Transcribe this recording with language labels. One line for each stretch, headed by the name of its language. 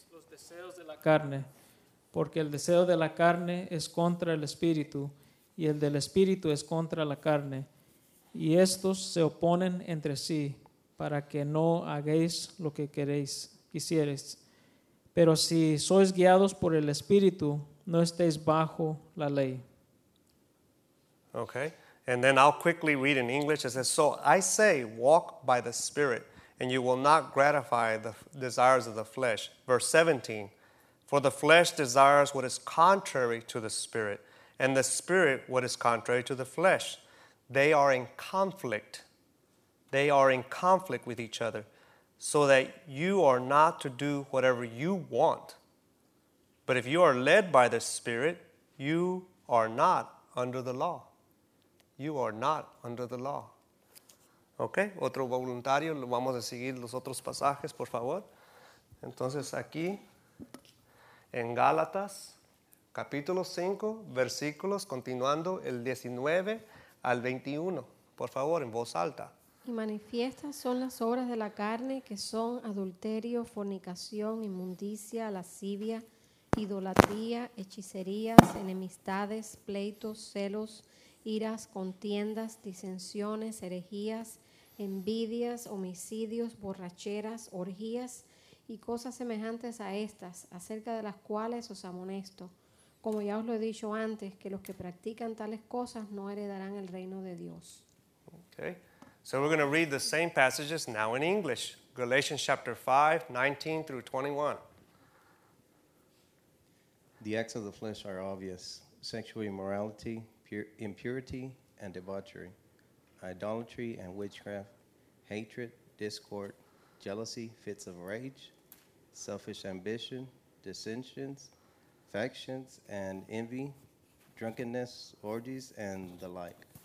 Spanish: Deseos de la carne, porque el deseo de la carne es contra el espíritu, y el del espíritu es contra la carne, y estos se oponen entre sí, para que no hagáis lo que queréis, quisierais. Pero si sois guiados por el espíritu, no estéis bajo la ley.
English: Okay, and then I'll quickly read in English. It says, so I say, walk by the spirit, and you will not gratify the desires of the flesh. Verse 17, for the flesh desires what is contrary to the spirit, and the spirit what is contrary to the flesh. They are in conflict. They are in conflict with each other, so that you are not to do whatever you want. But if you are led by the spirit, you are not under the law. You are not under the law.
Spanish: Okay, otro voluntario, vamos a seguir los otros pasajes, por favor. Entonces, aquí, en Gálatas, capítulo 5, versículos, continuando el 19 al 21. Por favor, en voz alta. Y manifiestas son las obras de la carne, que son adulterio, fornicación, inmundicia, lascivia, idolatría, hechicerías, enemistades, pleitos, celos, iras, contiendas, disensiones, herejías, envidias, homicidios, borracheras, orgías y cosas semejantes a estas, acerca de las cuales os amonesto. Como ya os lo he dicho antes, que los que practican tales cosas no heredarán el reino de Dios.
English: Okay, so we're going to read the same passages now in English. Galatians chapter 5, 19 through 21. The acts of the flesh are obvious. Sexual immorality, impurity, and debauchery. Idolatry and witchcraft, hatred, discord, jealousy, fits of rage, selfish ambition, dissensions, factions and envy, drunkenness, orgies, and the like.